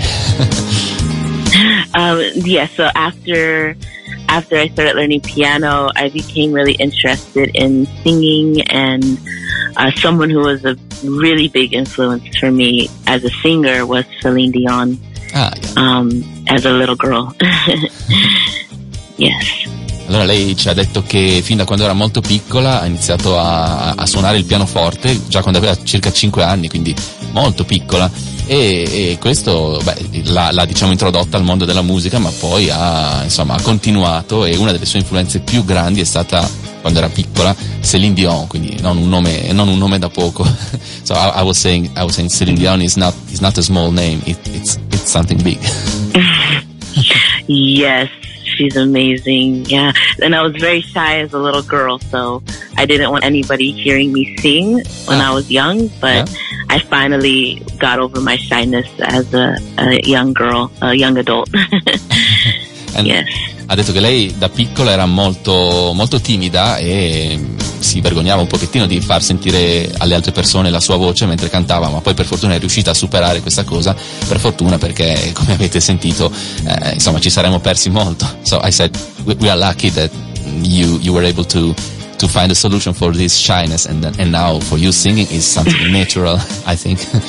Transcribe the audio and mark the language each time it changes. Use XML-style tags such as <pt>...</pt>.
<en>So after I started learning piano, I became really interested in singing, and someone who was a really big influence for me as a singer was Celine Dion. As a little girl. Yes.</en> <it>Allora, lei ci ha detto che fin da quando era molto piccola ha iniziato a suonare il pianoforte, già quando aveva circa 5 anni, quindi molto piccola, e questo l'ha diciamo introdotta al mondo della musica, ma poi ha continuato, e una delle sue influenze più grandi è stata, quando era piccola, Celine Dion, quindi non un nome da poco.</it> <en>So I was saying Celine Dion is not a small name, it's something big. Yes. She's amazing, yeah. And I was very shy as a little girl, so I didn't want anybody hearing me sing when I was young, but yeah. I finally got over my shyness as a young girl, a young adult. Yes.</en> <it>Ha detto che lei da piccola era molto, molto timida e si vergognava un pochettino di far sentire alle altre persone la sua voce mentre cantava, ma poi per fortuna è riuscita a superare questa cosa, per fortuna, perché come avete sentito insomma ci saremmo persi molto.</it> <en>So I said we are lucky that you were able to find a solution for this shyness, and now for you singing is something natural, I think.</en>